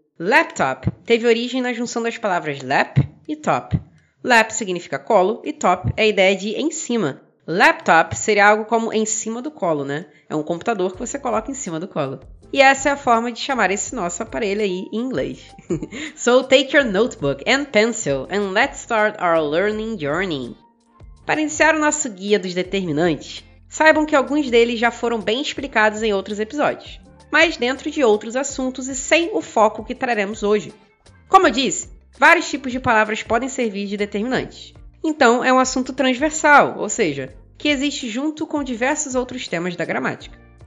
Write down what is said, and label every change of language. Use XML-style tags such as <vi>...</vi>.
<pt>Laptop teve origem na junção das palavras lap e top. Lap significa colo e top é a ideia de em cima. Laptop seria algo como em cima do colo, né? É um computador que você coloca em cima do colo. E essa é a forma de chamar esse nosso aparelho aí em inglês.</pt> <en>So take your notebook and pencil and let's start our learning journey.</en> <pt>Para iniciar o nosso guia dos determinantes, saibam que alguns deles já foram bem explicados em outros episódios, mas dentro de outros assuntos e sem o foco que traremos hoje. Como eu disse, vários tipos de palavras podem servir de determinantes. Então, é um assunto transversal, ou seja, que existe junto com diversos outros temas da gramática.</pt>